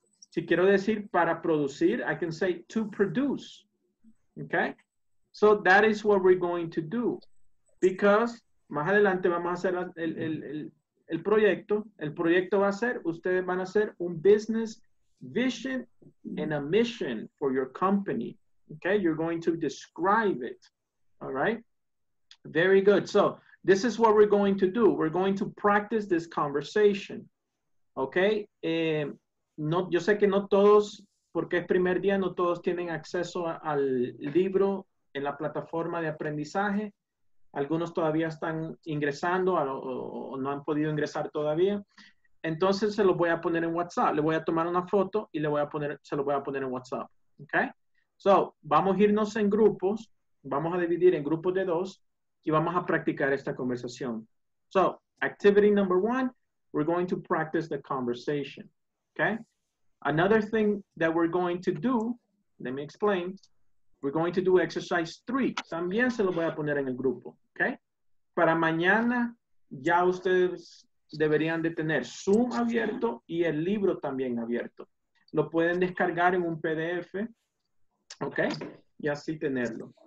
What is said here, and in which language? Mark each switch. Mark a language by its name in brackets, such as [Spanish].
[Spanish] Si quiero decir para producir, [English] I can say to produce. Okay, so that is what we're going to do. Because [Spanish] más adelante vamos a hacer el proyecto. El proyecto va a ser, ustedes van a hacer un [English] business vision and a mission for your company. Okay, you're going to describe it. All right, very good. So this is what we're going to do. We're going to practice this conversation. Okay. [Spanish] No, yo sé que no todos, porque es primer día, no todos tienen acceso al libro en la plataforma de aprendizaje. Algunos todavía están ingresando o no han podido ingresar todavía. Entonces se lo voy a poner en WhatsApp. Le voy a tomar una foto y se lo voy a poner en WhatsApp. Okay. So, vamos a irnos en grupos. Vamos a dividir en grupos de dos y vamos a practicar esta conversación. [English] So, activity number one, we're going to practice the conversation. Okay. Another thing that we're going to do, let me explain. We're going to do exercise three. [Spanish] También se lo voy a poner en el grupo. Okay. Para mañana ya ustedes deberían de tener Zoom abierto y el libro también abierto. Lo pueden descargar en un PDF, ¿ok? Y así tenerlo.